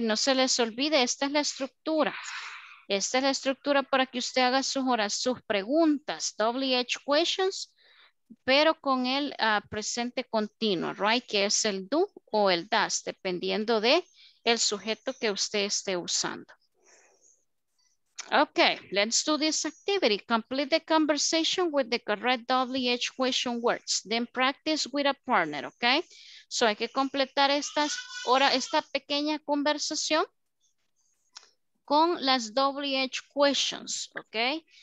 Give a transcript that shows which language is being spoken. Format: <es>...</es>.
<es>No se les olvide, esta es la estructura. Esta es la estructura para que usted haga sus preguntas, WH questions, pero con el presente continuo, right? Que es el do o el does, dependiendo de el sujeto que usted esté usando.</es> <en>Okay, let's do this activity. Complete the conversation with the correct WH question words. Then practice with a partner, okay?</en> <es>So hay que completar esta pequeña conversación con las WH questions, okay?</es>